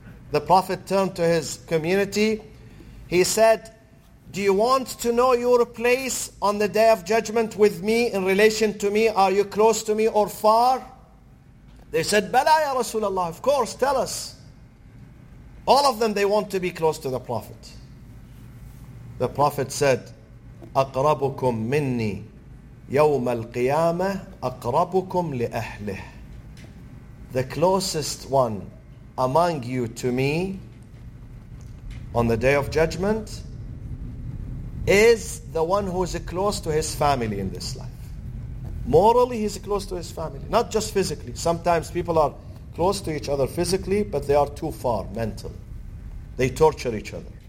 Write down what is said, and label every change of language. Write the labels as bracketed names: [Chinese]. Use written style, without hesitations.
[English] The Prophet turned to his community. He said, do you want to know your place on the Day of Judgment with me in relation to me? Are you close to me or far? They said, [Arabic] Bala ya Rasulallah, [English] of course, tell us. All of them, they want to be close to the Prophet. The Prophet said, [Arabic] أقربكم مني يوم القيامة أقربكم لأهله. [English] The closest one among you to me on the Day of Judgment is the one who is close to his family in this life. Morally, he's close to his family, not just physically. Sometimes people are close to each other physically, but they are too far mentally. They torture each other.